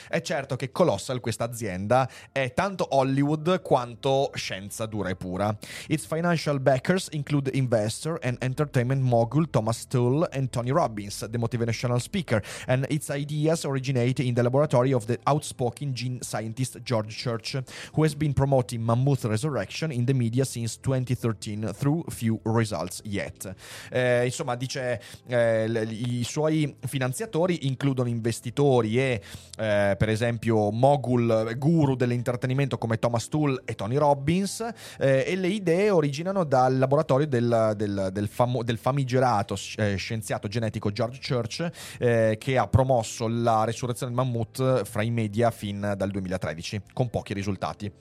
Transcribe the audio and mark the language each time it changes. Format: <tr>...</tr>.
<it>È certo che Colossal, questa azienda, è tanto Hollywood quanto scienza dura e pura.</it> <en>Its financial backers include investor and entertainment mogul Thomas Tull and Tony Robbins, the motivational speaker. And its ideas originate in the laboratory of the outspoken gene scientist George Church, who has been promoting mammoth resurrection in the media since 2013 through few results yet.</en> <it>Insomma, dice, i suoi finanziatori includono investitori e per esempio mogul, guru dell'intrattenimento come Thomas Tull e Tony Robbins, e le idee originano dal laboratorio del famigerato scienziato genetico George Church, che ha promosso la resurrezione del mammoth fra i media fin dal 2013 con pochi risultati.</it>